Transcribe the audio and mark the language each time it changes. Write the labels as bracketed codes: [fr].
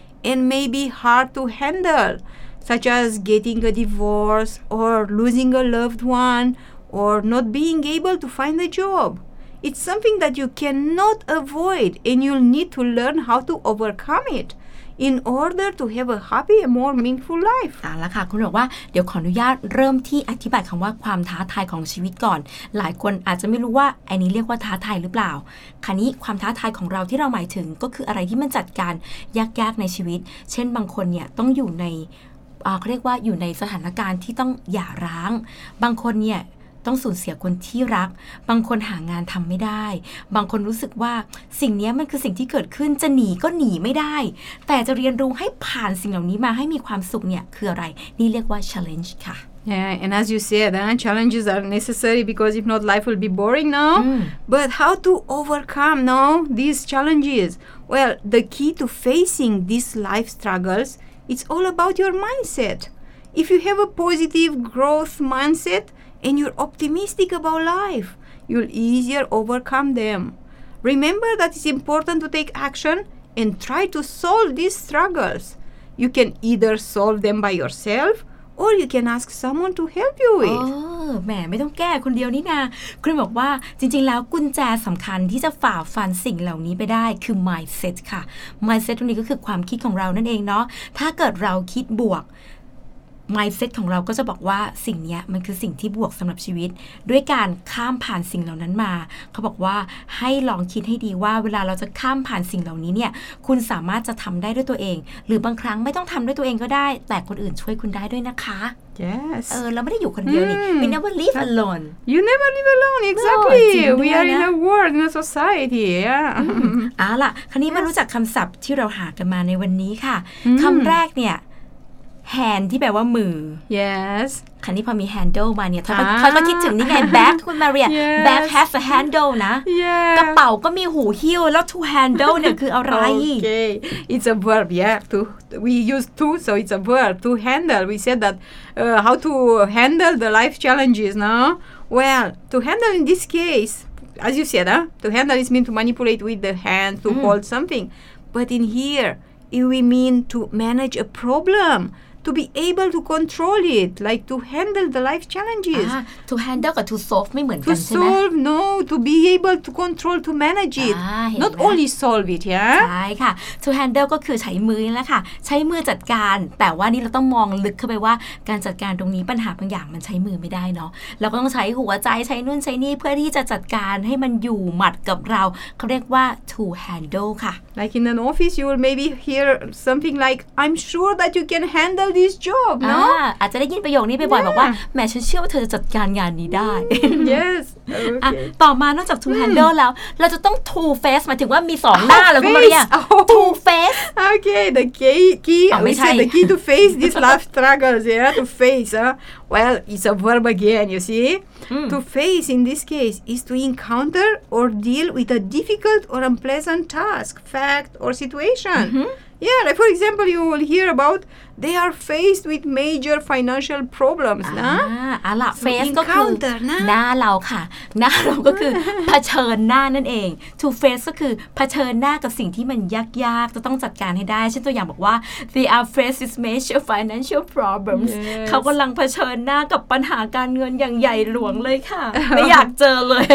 [en] And may be hard to handle, such as getting a divorce or losing a loved one or not being able to find a job. It's something that you cannot avoid and you'll need to learn how to overcome it. In order to have a happy and more meaningful life. [th] อ่ะล่ะค่ะคุณบอกว่าเดี๋ยวขออนุญาตเริ่มที่อธิบายคำว่าความท้าทายของชีวิตก่อนหลายคนอาจจะไม่รู้ว่าอันนี้เรียกว่าท้าทายหรือเปล่าคราวนี้ความท้าทายของเราที่เราหมายถึงก็คืออะไรที่มันจัดการยากๆในชีวิตเช่นบางคนเนี่ยต้องอยู่ในเขาเรียกว่าอยู่ในสถานการณ์ที่ต้องหย่าร้างบางคนเนี่ย ต้องสูญเสียคนที่รักบางคนหางานทำไม่ได้บางคนรู้สึกว่าสิ่งนี้มันคือสิ่งที่เกิดขึ้นจะหนีก็หนีไม่ได้แต่จะเรียนรู้ให้ผ่านสิ่งเหล่านี้มาให้มีความสุขเนี่ยคืออะไรนี่เรียกว่า challenge ค่ะ [en] Yeah, and as you said, challenges are necessary because if not, life will be boring, no? Mm. But how to overcome, no, these challenges? Well, the key to facing these life struggles, it's all about your mindset. If you have a positive growth mindset and you're optimistic about life, you'll easier overcome them. Remember that it's important to take action and try to solve these struggles. You can either solve them by yourself or you can ask someone to help you with. [th] แม่ไม่ต้องแก้คนเดียวนี่นาคุณบอกว่าจริงๆแล้วกุญแจสำคัญที่จะฝ่าฟันสิ่งเหล่านี้ไปได้คือ mindset ค่ะ mindset ตรงนี้ก็คือความคิดของเรานั่นเองเนาะถ้าเกิดเราคิดบวกmindset ของเราก็จะบอกว่าสิ่งนี้มันคือสิ่งที่บวกสำหรับชีวิตด้วยการข้ามผ่านสิ่งเหล่านั้นมาเขาบอกว่าให้ลองคิดให้ดีว่าเวลาเราจะข้ามผ่านสิ่งเหล่านี้เนี่ยคุณสามารถจะทำได้ด้วยตัวเองหรือบางครั้งไม่ต้องทำด้วยตัวเองก็ได้แต่คนอื่นช่วยคุณได้ด้วยนะคะ [en] yes [th] เราไม่ได้อยู่คนเดียวนี่ [en] we never live alone you never live alone exactly no, we are in a world in a society [th] ล่ะคราวนี้มารู้จักคำศัพท์ที่เราหากันมาในวันนี้ค่ะคำแรกเนี่ยhand ที่แปลว่ามือ [en] yes [th] คันนี้พอมี handle มาเนี่ยเขาคิดถึงนี่ไง bag คุณมาเรีย [en] bag has a handle [th] นะ [en] yeah. [th] กระเป๋าก็มีหูหิ้วแล้ว to handle เนี่ยคืออะไร [en] okay it's a verb yeah to we use to so it's a verb to handle we said that how to handle the life challenges no well to handle in this case as you said to handle is mean to manipulate with the hand to hold something but in hereIf we mean to manage a problem, to be able to control it, like to handle the life challenges. To handle or to solve, [th] ไม่เหมือนกัน ใช่ไหม? [en] To solve, no, to be able to control, to manage it. Not only solve it, yeah? [th] ใช่ค่ะ To handle ก็คือใช้มือแล้วค่ะใช้มือจัดการแต่ว่านี่เราต้องมองลึกเข้าไปว่าการจัดการตรงนี้ปัญหาบางอย่างมันใช้มือไม่ได้เนาะเราก็ต้องใช้หัวใจใช้นู่นใช้นี่เพื่อที่จะจัดการให้มันอยู่หมัดกับเราเขาเรียกว่า to handle ค่ะ [en] Like in an office, you will maybe hear something like, I'm sure that you can handle this job, no? [th] อาจจะได้ยินประโยคนี้ไปบ่อยบอกว่าแม่ฉันเชื่อว่าเธอจะจัดการงานนี้ได้ [en] Yes, [th] okay. ต่อมานอกจาก to handle แล้วเราจะต้อง to face หมายถึงว่ามีสองหน้าแล้วคุณมาเรีย to face. [en] Okay, the key, we said the key to face these life struggles, yeah, to face. Well, it's a verb again, you see. To face in this case is to encounter or deal with a difficult or unpleasant task. Fact or situation. Mm-hmm. Yeah, like for example, you will hear about they are faced with major financial problems. [th] Ah, ala face ก็คือหน้าเราค่ะหน้าเราก็คือเผชิญหน้านั่นเอง To face ก็คือเผชิญหน้ากับสิ่งที่มันยากๆจะต้องจัดการให้ได้เช่นตัวอย่างบอกว่า [en] they are faced with major financial problems yes. [th] เขากำลังเผชิญหน้ากับปัญหาการเงินอย่างใหญ่หลวงเลยค่ะ ไม่อยากเจอเลย